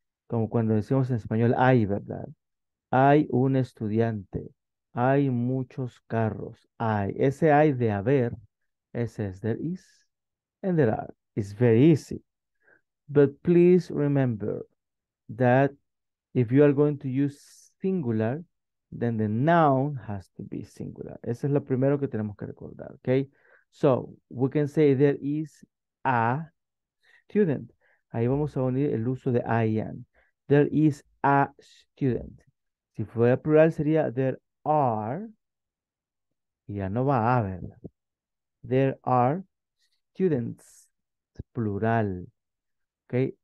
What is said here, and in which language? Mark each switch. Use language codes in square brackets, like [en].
[es] Como cuando decimos en español hay, ¿verdad? Hay un estudiante, hay muchos carros, hay. [en] Ese hay de haber, ese es there is and there are. It's very easy. But please remember that if you are going to use singular, then the noun has to be singular. [es] Ese es lo primero que tenemos que recordar, okay? [en] So, we can say there is a student. [es] Ahí vamos a unir el uso de I am. There is a student. Si fuera plural sería there are. Y ya no va a haber. [en] There are students. Plural. Okay?